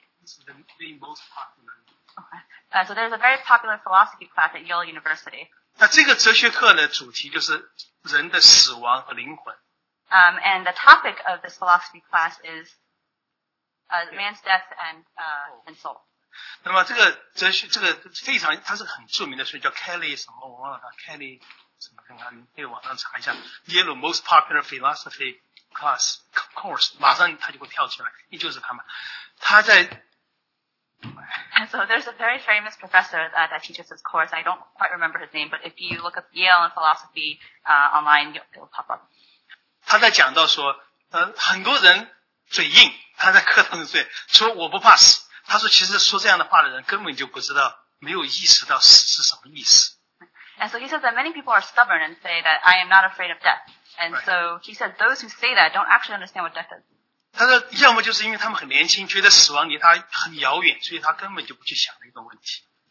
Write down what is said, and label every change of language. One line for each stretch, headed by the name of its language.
English: This is the most popular. So there's a very popular philosophy class at Yale University.
Chinese: 那这个哲学课的主题就是人的死亡和灵魂。
English: And the topic of this philosophy class is man's death and soul.
Chinese: 那么这个哲学这个非常它是很著名的，所以叫 Kelly 什么我忘了 Kelly 什么看看你可以网上查一下
English: Yale most popular philosophy class course
Chinese: 马上它就会跳出来，也就是他们他在。
English: So there's a very famous professor that teaches this course. I don't quite remember his name, but if you look up Yale and philosophy online, it'll pop up.
Chinese: 他在讲到说，很多人嘴硬，他在课堂嘴说我不怕死。他说其实说这样的话的人根本就不知道，没有意识到死是什么意思。
English: And so he says that many people are stubborn and say that I am not afraid of death. And so he says those who say that don't actually understand what death is.
Chinese: 他说要么就是因为他们很年轻觉得死亡离他很遥远，所以他根本就不去想这个问题。